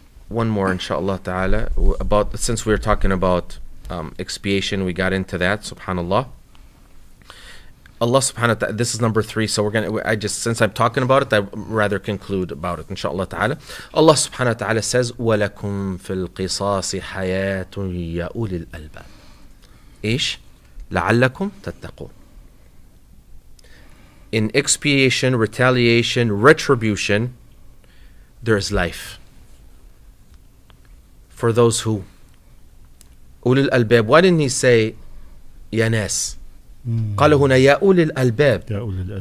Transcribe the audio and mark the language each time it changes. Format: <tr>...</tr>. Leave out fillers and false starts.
<en>One more, inshallah ta'ala, about since we're talking about expiation, we got into that, subhanallah. Allah subhanahu wa ta'ala, this is number three, so since I'm talking about it, I'd rather conclude about it, inshallah ta'ala. Allah subhanahu wa ta'ala says,</en> <ar>وَلَكُمْ فِي الْقِصَاصِ حَيَاتٌ يَا أُولِي الْأَلْبَابِ إِشْ لَعَلَّكُمْ تَتَّقُونَ.</ar> <en>in expiation, retaliation, retribution, there is life. For those who? Ulul al-bab. Why didn't he say, Yanas?</en> <ar>قَالَ هُنَا يَا أُولِي الْأَلْبَابِ.</ar>